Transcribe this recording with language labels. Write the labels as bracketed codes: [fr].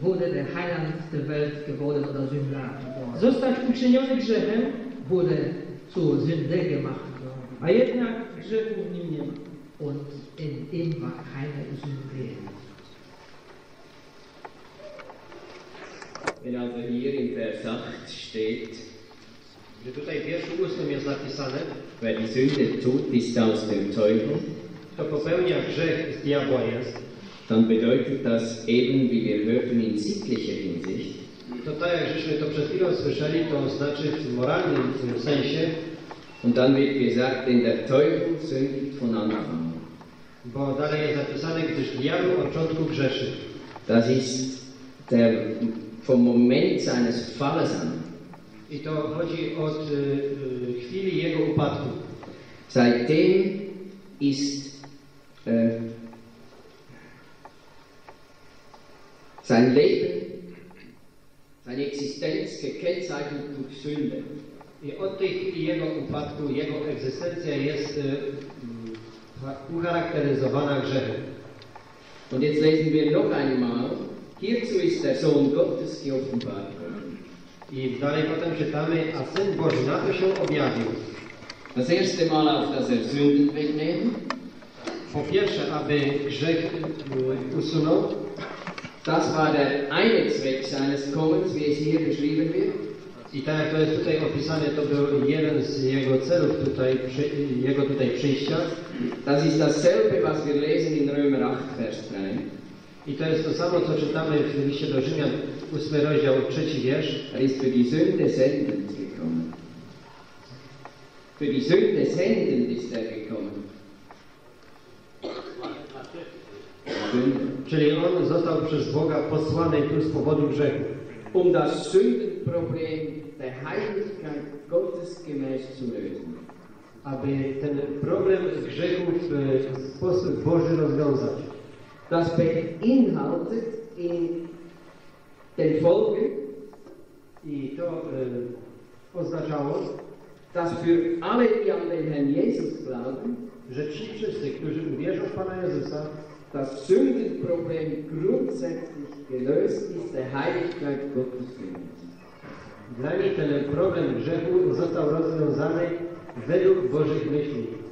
[de] Wurde der Heiland der Welt geworden oder Sünder. [pl] Zostać uczyniony grzechem. [de] Wurde zu Sünde gemacht. [pl] A jednak grzechu w nim nie ma. [de] Und in ihm war keine Sünde. Wenn aber hier in Vers 8 steht, [pl] że tutaj w wierszu 8 jest napisane, [de] weil die Sünde tut, ist aus dem Teufel, [pl] to popełnia grzech z diabła jest, [de] dann bedeutet das eben, wie wir hörten, in sittlicher Hinsicht, [pl] to tak jak żeśmy to przed chwilą słyszeli, to znaczy w moralnym w sensie, [de] und dann wird gesagt, denn der Teufel sündigt von Anfang an. [pl] Bo dalej jest napisane, gdyż diabeł od początku grzeszy. [de] Das ist der vom Moment seines Falles an. [pl] I to chodzi od chwili jego upadku. [de] Seitdem ist sein Leben, seine Existenz gekennzeichnet durch Sünde. [pl] I od tej chwili jego upadku, jego egzystencja jest ucharakteryzowana grzechem. [de] Und jetzt lesen wir noch einmal. Hierzu ist der Sohn Gottes geoffenbart. [pl] I dalej potem czytamy, a Syn Boży na to się objawił. [de] Das erste Mal, auf das er Sünden wegnehmen. [pl] Po pierwsze, aby grzech usunął. [de] Das war der eine Zweck seines Kommens, wie es hier geschrieben wird. [pl] I tak jak to jest tutaj opisane, to był jeden z jego celów tutaj, jego tutaj przyjścia. [de] Das ist dasselbe, was wir lesen in Römer 8, Vers 3. [pl] I to jest to samo, co czytamy w liście do Rzymian, 8 rozdział, 3 wiersz. [de] Er ist für die Sünde sendend gekommen. Für die Sünde sendend ist er gekommen. [pl] Czyli on został przez Boga posłany tu z powodu grzechu. [de] Um das Sündenproblem der Heiligkeit Gottes gemäß zu lösen. [pl] Aby ten problem grzechu w sposób Boży rozwiązać. [de] Das beinhaltet in den Folgen, [pl] i to oznaczało, [de] dass für alle, die an den Herrn Jesus glauben, [pl] że ci wszyscy, którzy uwierzą w Pana Jezusa, [de] das Sündenproblem grundsätzlich gelöst ist, der Heiligkeit Gottes gemäß. [pl] Dla mnie ten problem grzechu został rozwiązany według Bożych myśli.